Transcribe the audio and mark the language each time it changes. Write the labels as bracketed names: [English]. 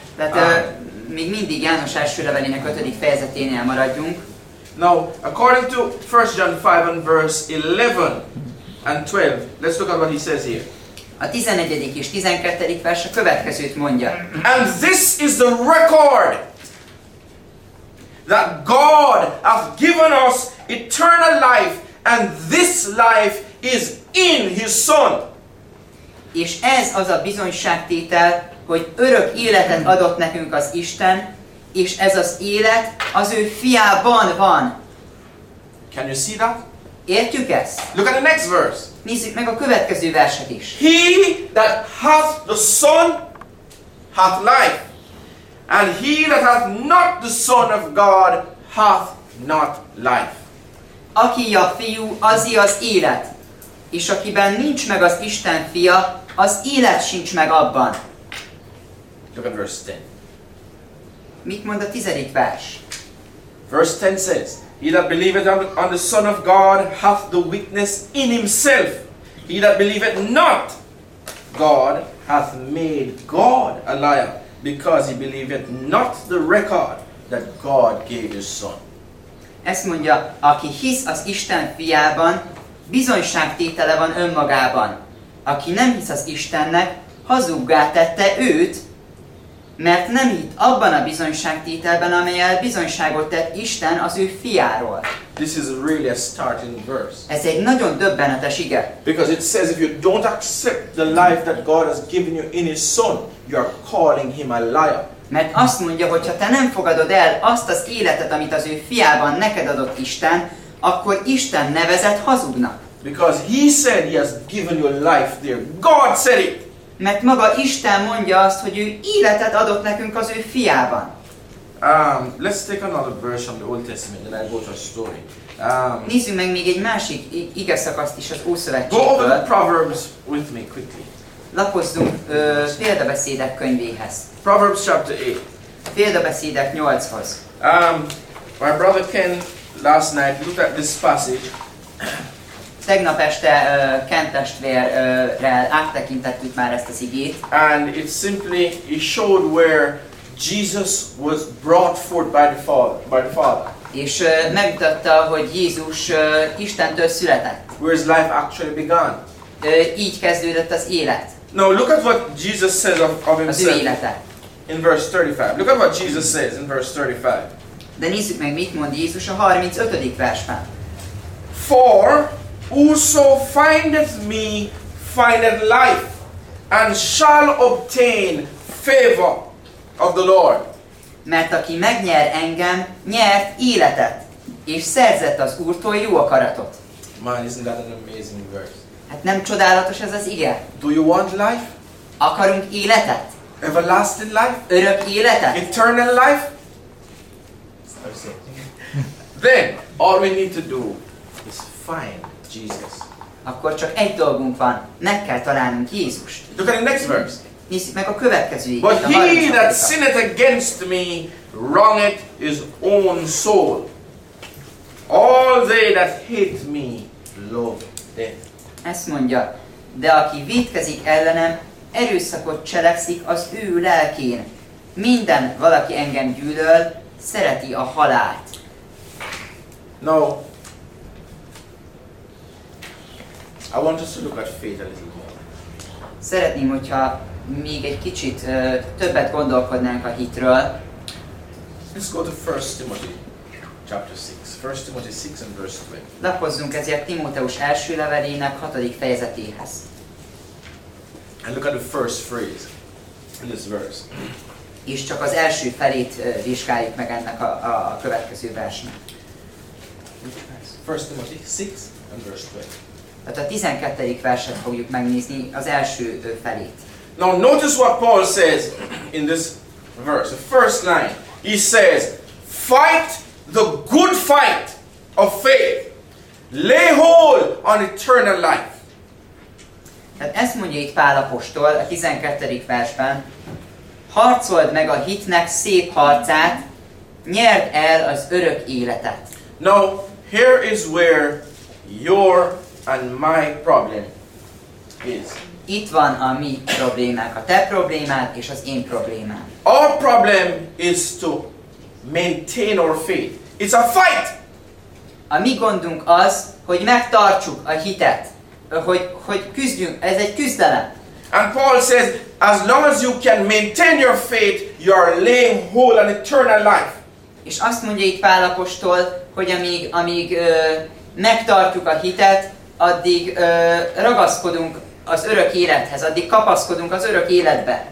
[Hungarian] Tehát még mindig János első levelének 5. fejezeténél maradjunk. [English] Now, according to 1 John 5 and verse 11 and 12, let's look at what he says here. [Hungarian] A 11. és 12. vers a következőt mondja. [English] And this is the record that God hath given us eternal life, and this life is in his son. [Hungarian] És ez az a bizonyságtétel, hogy örök életet adott nekünk az Isten, és ez az élet az ő fiában van. [English] Can you see that? [Hungarian] Értjük ezt? [English] Look at the next verse. [Hungarian] Nézzük meg a következő verset is. [English] He that hath the son hath life, and he that hath not the son of God hath not life. [Hungarian] Aki a fiú, azi az élet, és akiben nincs meg az Isten fia, az élet sincs meg abban. [English] Look at verse 10. [Hungarian] Mit mond a 10. vers? [English] Verse 10 says, he that believeth on the Son of God hath the witness in himself. He that believeth not God hath made God a liar, because he believeth not the record that God gave his Son. [Hungarian] Ezt mondja, aki hisz az Isten fiában, bizonyságtétele van önmagában. Aki nem hisz az Istennek, hazuggá tette őt, mert nem hitt abban a bizonyságtételben, amelyel bizonyságot tett Isten az ő fiáról. [English] This is really a startling verse. [Hungarian] Ez egy nagyon döbbenetes ige. [English] Because it says if you don't accept the life that God has given you in his son, you are calling him a liar. [Hungarian] Mert azt mondja, hogy ha te nem fogadod el azt az életet, amit az ő fiában neked adott Isten, akkor Isten nevezett hazugnak. [English] Because he said he has given you life there. God said it. [Hungarian] Mert maga Isten mondja azt, hogy ő életet adott nekünk az ő fiában. [English] Let's take another verse from the Old Testament and I'll go to a story. [Hungarian] Nézzünk meg még egy másik ige szakaszt is az Ószövetségből. [English] Go over the Proverbs with me quickly. [Hungarian] Lapozzunk Példabeszédek könyvéhez. [English] Proverbs chapter 8. [Hungarian] Példabeszédek 8-hoz. [English] My brother Ken last night looked at this passage. [Hungarian] Tegnap este Ken testvérrel áttekintettük már ezt az igét. [English] And it simply showed where Jesus was brought forth by the Father. [Hungarian] És megmutatta, hogy Jézus Istentől született. [English] Where his life actually began. [Hungarian] Így kezdődött az élet. [English] Now look at what Jesus says of himself. [Hungarian] Az ő élete. [English] In verse 35. Look at what Jesus says in verse 35. [Hungarian] De nézzük meg, mit mond Jézus a 35. versben. [English] For whoso findeth me findeth life, and shall obtain favor of the Lord. [Hungarian] Mert aki megnyer engem, nyert életet, és szerzett az Úrtól jó akaratot. [English] Man, isn't that an amazing verse? [Hungarian] Hát nem csodálatos ez az ige? [English] Do you want life? [Hungarian] Akarunk életet? [English] Everlasting life? [Hungarian] Örök életet? [English] Eternal life? Then, all we need to do is find Jesus. [Hungarian] Akkor csak egy dolgunk van, meg kell találnunk Jézust. [English] Look at the next verse. [Hungarian] Nézzük meg a következő ígét. [English] But he that sinneth against me wrongeth his own soul. All they that hate me love death. [Hungarian] Ezt mondja, de aki vétkezik ellenem, erőszakot cselekszik az ő lelkén. Minden valaki engem gyűlöl, szereti a halált. [English] No. I want us to look at faith a little more. [Hungarian] Szeretném, hogyha még egy kicsit többet gondolkodnánk a hitről. [English] Let's go to 1 Timothy chapter 6. 1 Timothy 6 and verse 20. [Hungarian] Lapozzunk ezért Timóteus első levelének 6. fejezetéhez. [English] And look at the first phrase in this verse. [Hungarian] És csak az első felét vizsgáljuk meg ennek a következő versnek. [English] 1 Timothy 6 and verse 20. [Hungarian] Tehát a 12. verset fogjuk megnézni, az első felét. [English] Now notice what Paul says in this verse, the first line. He says, fight the good fight of faith. Lay hold on eternal life. [Hungarian] Tehát ezt mondja itt Pál apostol a 12. versben. Harcold meg a hitnek szép harcát, nyerd el az örök életet. [English] Now here is where your and my problem is. [Hungarian] Itt van a mi problémák, a te problémád és az én problémám. [English] Our problem is to maintain our faith. It's a fight. [Hungarian] A mi gondunk az, hogy megtartsuk a hitet, hogy küzdjünk. Ez egy küzdelem. [English] And Paul says, as long as you can maintain your faith, you are laying hold on eternal life. [Hungarian] És azt mondja itt Pál apostol, hogy amíg megtartjuk a hitet, addig ragaszkodunk az örök élethez, addig kapaszkodunk az örök életbe.